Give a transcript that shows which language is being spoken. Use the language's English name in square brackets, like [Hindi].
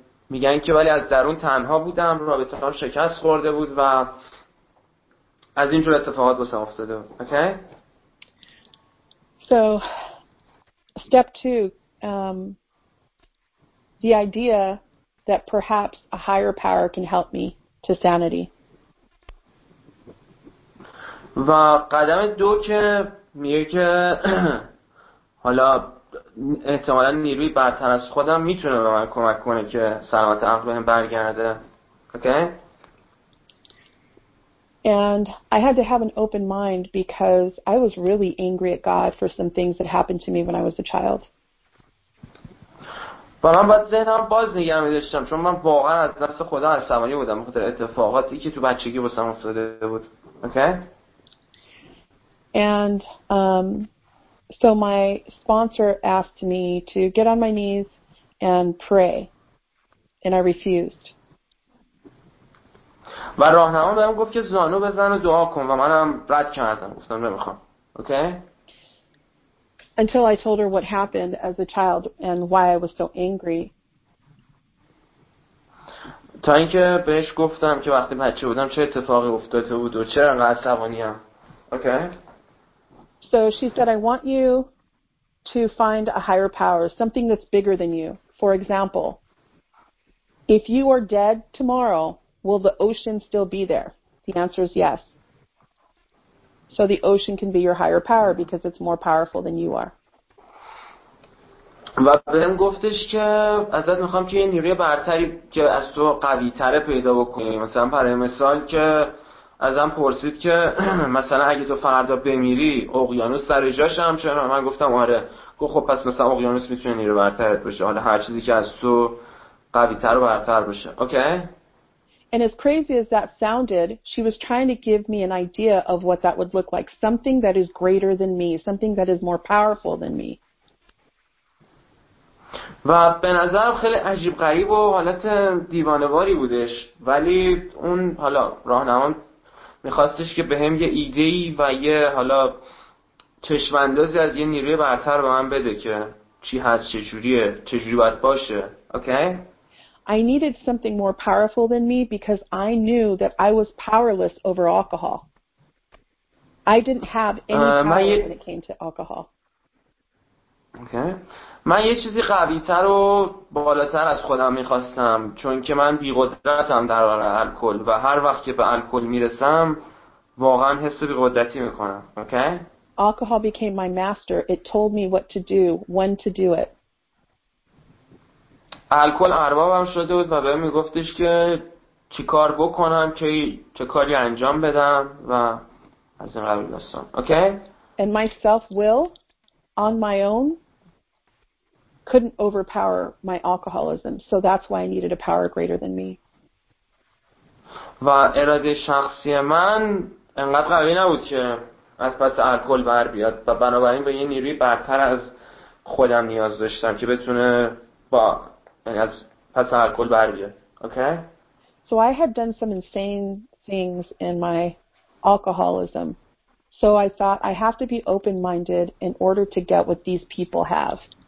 [Persian] میگن که ولی از درون تنها بودم، رابطه‌ام شکست خورده بود و از اینجور اتفاقات واسه افتاده. [English] Okay? So, step two, the idea that perhaps a higher power can help me to sanity. [Persian] و قدم دو که میگه که حالا احتمالا نیروی برتر از خودم میتونه به من کمک کنه که سلامت عقلم برگرده. [English] Okay? And I had to have an open mind because I was really angry at God for some things that happened to me when I was a child. [Persian] و من باید ذهنم باز نگه میداشتم چون من واقعا از دست خدا عصبانی بودم بخاطر اتفاقاتی که تو بچگی واسم افتاده بود. [English] Okay? And so my sponsor asked me to get on my knees and pray, and I refused. [Persian] و راهنما بهم گفت که زانو بزن و دعا کن و منم رد کردم گفتم نمیخوام. [English] Okay? Until I told her what happened as a child and why I was so angry. [Persian] تا اینکه بهش گفتم که وقتی بچه بودم چه اتفاقی افتاده بود و چرا انقدر عصبانیم. [English] Okay? So she said, I want you to find a higher power, something that's bigger than you. For example, if you are dead tomorrow, will the ocean still be there? The answer is yes. So the ocean can be your higher power because it's more powerful than you are. [Persian] و بهم گفتش که ازت میخوام که یه نیروی برتری که از تو قوی تره پیدا بکنی. مثلا برای مثال که ازم پرسید که مثلا اگه تو فردا بمیری اقیانوس سر جاش همچنان. من گفتم آره. گفت خب پس مثلا اقیانوس میتونه نیروی برترت باشه. حالا هر چیزی که از تو قوی تر و برتر باشه. [English] Okay? And as crazy as that sounded, she was trying to give me an idea of what that would look like. Something that is greater than me. Something that is more powerful than me. [Persian] و به نظرم خیلی عجیب غریب و حالت دیوانواری بودش. ولی اون حالا راهنمان میخواستش که به هم یه ایدهی و یه حالا چشم‌اندازی از یه نیروی برتر به من بده که چی هست، چجوریه، چجوری باید باشه. [English] Okay? I needed something more powerful than me because I knew that I was powerless over alcohol. I didn't have any power when it came to alcohol. Okay. [Persian] من یه چیزی قوی‌تر و بالاتر از خودم می‌خواستم چون که من بی‌قدرتم در برابر الکل و هر وقت که به الکل میرسم واقعاً حس بی‌قدرتی می‌کنم. [English] Okay? Alcohol became my master. It told me what to do, when to do it. [Persian] الکل اربابم شده بود و بهم میگفتش که چی کار بکنم که چه کاری انجام بدم و از این قبیل داستان. [English] Okay? And my self-will on my own couldn't overpower my alcoholism. So that's why I needed a power greater than me. [Persian] و اراده شخصی من انقدر قوی نبود که از پس الکل بر بیاد و بنابراین به یه نیروی برتر از خودم نیاز داشتم که بتونه با پس الکل بر بیاد. [English] Okay? So I had done some insane things in my alcoholism. So I thought I have to be open-minded in order to get what these people have.